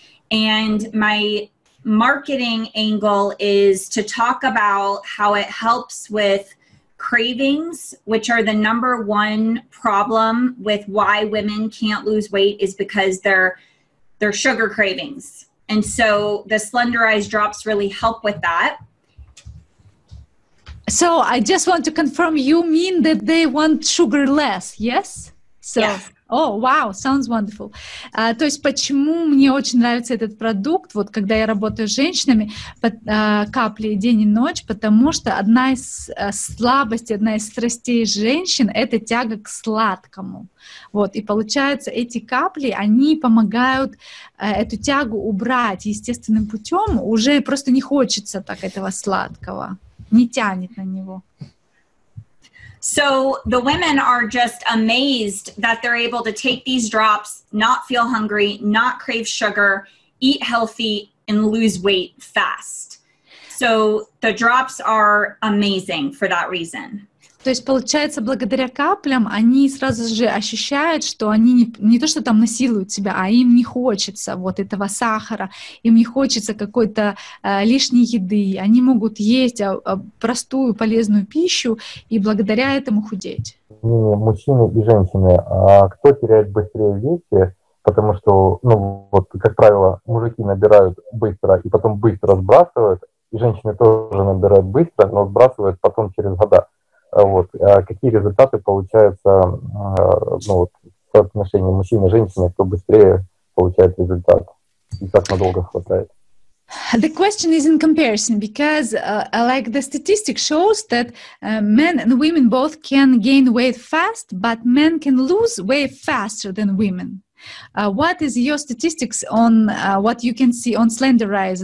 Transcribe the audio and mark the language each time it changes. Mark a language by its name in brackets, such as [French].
[English] And my marketing angle is to talk about how it helps with cravings, which are the number one problem with why women can't lose weight is because they're sugar cravings. And so the Slenderize drops really help with that. So I just want to confirm, you mean that they want sugar less, yes? So. Yes. О, oh, вау, wow, sounds wonderful. [Russian] То есть, почему мне очень нравится этот продукт, вот когда я работаю с женщинами, капли день и ночь, потому что одна из слабостей, одна из страстей женщин — это тяга к сладкому. Вот, и получается, эти капли, они помогают эту тягу убрать естественным путем, уже просто не хочется так этого сладкого, не тянет на него. [English] So the women are just amazed that they're able to take these drops, not feel hungry, not crave sugar, eat healthy, and lose weight fast. So the drops are amazing for that reason. [Russian] То есть, получается, благодаря каплям они сразу же ощущают, что они не то, что там насилуют себя, а им не хочется вот этого сахара, им не хочется какой-то лишней еды. Они могут есть простую полезную пищу и благодаря этому худеть. И мужчины и женщины, а кто теряет быстрее в весе? Потому что, ну, вот, как правило, мужики набирают быстро и потом быстро сбрасывают, и женщины тоже набирают быстро, но сбрасывают потом через года. Вот, а какие результаты получаются, ну, вот, в отношении мужчин и женщин, кто быстрее получает результат и как надолго хватает? [English] The question is in comparison, because like the statistic shows that men and women both can gain weight fast, but men can lose weight faster than women. What is your statistics on what you can see on Slenderize?